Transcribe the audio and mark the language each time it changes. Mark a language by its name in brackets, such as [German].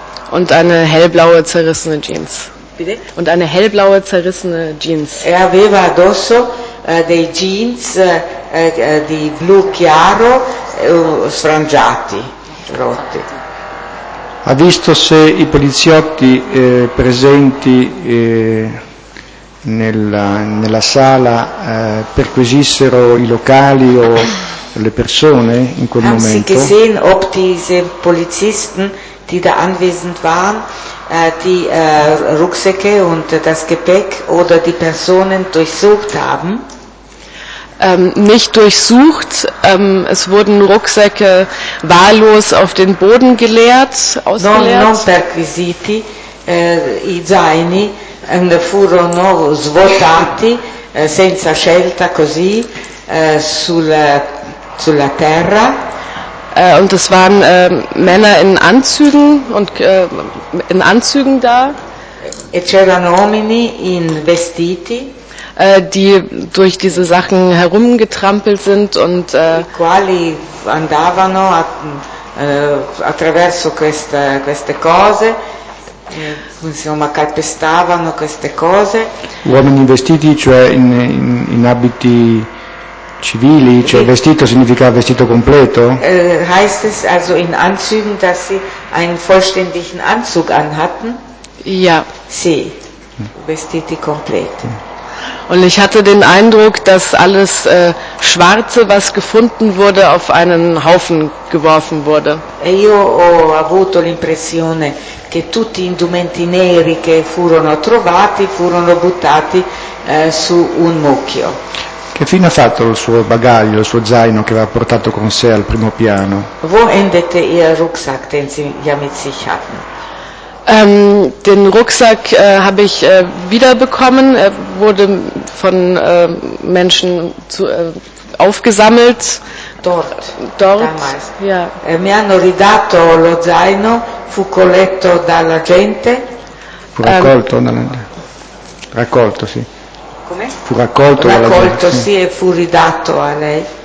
[German] Und eine hellblaue zerrissene Jeans. Bitte? Und eine hellblaue zerrissene Jeans. [Italian] Aveva addosso dei jeans di blu chiaro sfrangiati, rotti. Ha visto se i poliziotti presenti nella sala perquisissero i locali o le persone in quel [German] Haben [Italian] momento? [German] Haben Sie gesehen, ob diese Polizisten, die da anwesend waren, die Rucksäcke und das Gepäck oder die Personen durchsucht haben? Nicht durchsucht, es wurden Rucksäcke wahllos auf den Boden geleert, ausgeleert. [Italian] Non perquisiti, i zaini furono svuotati senza scelta così sulla terra. [German] Und es waren Männer in Anzügen und in Anzügen da. [Italian] E c'erano uomini in vestiti. [German] Die durch diese Sachen herumgetrampelt sind und [Italian] quali andavano attraverso queste cose insomma calpestavano queste cose uomini vestiti cioè in abiti civili cioè vestito significa vestito completo [German] heißt es also in Anzügen dass sie einen vollständigen Anzug anhatten ja [Italian] sì vestiti completi. [German] Und ich hatte den Eindruck, dass alles Schwarze, was gefunden wurde, auf einen Haufen geworfen wurde. [Italian] E io ho avuto l'impressione che tutti gli indumenti neri che furono trovati furono buttati su un mucchio. Che fine ha fatto il suo bagaglio, il suo zaino che aveva portato con sé al primo piano? [German] Wo endete ihr Rucksack, den sie ja mit sich hatten? Den Rucksack habe ich wiederbekommen. Er wurde von Menschen aufgesammelt. Dort. Damals. Ja. [Italian] Mi hanno ridato lo zaino, fu colletto dalla gente. Fu raccolto dalla gente. Raccolto, sì. Come? Fu raccolto dalla gente. Raccolto, sì, e fu ridato a lei.